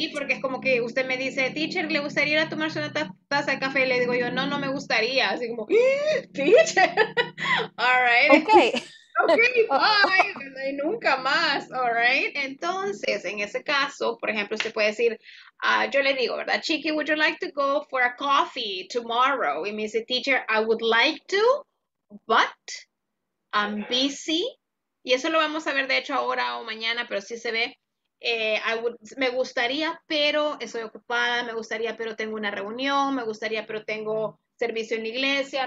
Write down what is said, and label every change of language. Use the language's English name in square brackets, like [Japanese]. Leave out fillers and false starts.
[Spanish] Sí, porque es como que usted me dice, teacher, ¿le gustaría ir a tomarse una taza de café? Y le digo yo, no, no me gustaría. Así como, teacher. [English] All right. Okay. Okay, bye. [Spanish] Nunca más. [English] All right. [Spanish] Entonces, en ese caso, por ejemplo, usted puede decir, yo le digo, ¿verdad? [English] Chiqui, would you like to go for a coffee tomorrow? [Spanish] Y me dice, [English] teacher, I would like to, but I'm busy. [Spanish] Y eso lo vamos a ver, de hecho, ahora o mañana, pero sí se ve. Me gustaría, pero estoy ocupada. Me gustaría, pero tengo una reunión. Me gustaría, pero tengo servicio en la iglesia.